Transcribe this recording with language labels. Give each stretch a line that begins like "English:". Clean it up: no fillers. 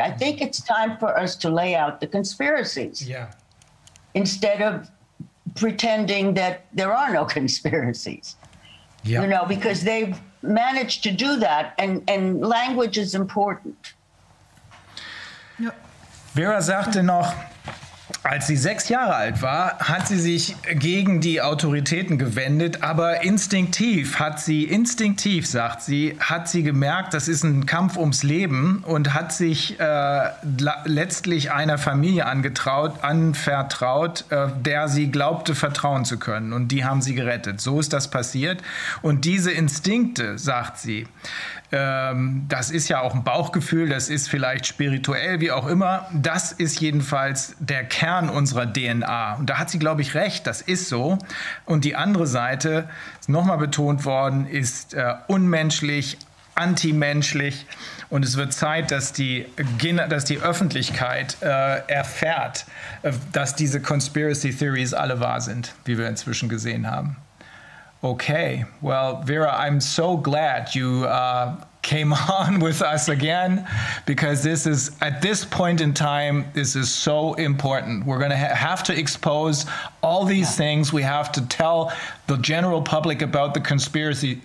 English: I think it's time for us to lay out the conspiracies. Yeah. Instead of pretending that there are no conspiracies. Yeah. You know, because they've managed to do that, and language is important. Yeah.
German: Vera sagte noch, als sie 6 Jahre alt war, hat sie sich gegen die Autoritäten gewendet, aber instinktiv, sagt sie, hat sie gemerkt, das ist ein Kampf ums Leben und hat sich letztlich einer Familie anvertraut, der sie glaubte, vertrauen zu können. Und die haben sie gerettet. So ist das passiert. Und diese Instinkte, sagt sie, das ist ja auch ein Bauchgefühl, das ist vielleicht spirituell, wie auch immer. Das ist jedenfalls der Kern unserer DNA. Und da hat sie, glaube ich, recht, das ist so. Und die andere Seite, ist nochmal betont worden, ist unmenschlich, antimenschlich. Und es wird Zeit, dass die Öffentlichkeit erfährt, dass diese
English: Conspiracy Theories
German: alle wahr sind, wie wir inzwischen gesehen haben.
English: Okay, well, Vera, I'm so glad you came on with us again, because this is, at this point in time, this is so important. We're going to have to expose all these things. We have to tell the general public about the conspiracy